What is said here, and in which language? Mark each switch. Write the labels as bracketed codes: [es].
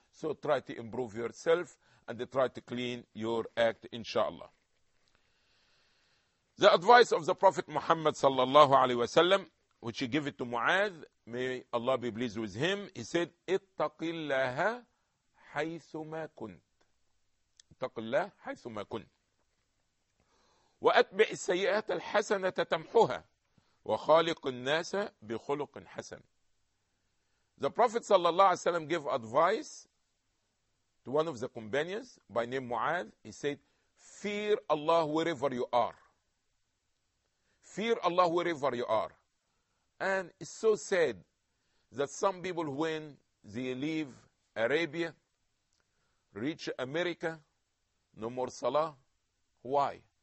[en] So try to improve yourself and try to clean your act, inshallah. The advice of the Prophet Muhammad sallallahu alayhi wa sallam, which he gave it to Mu'adh, may Allah be pleased with him. He said, [ar] اتَّقِ اللَّهَ حَيْثُ مَا كُنْتَ. اتق الله حيثما كنت، وأتبع السيئات الحسنة تمحوها، وخالق الناس بخلق حسن. [en] The Prophet صلى الله عليه وسلم gave advice to one of the companions by name Mu'adh. He said, fear Allah wherever you are. Fear Allah wherever you are. And it's so sad that some people, when they leave Arabia, reach America, no more Salah. Why?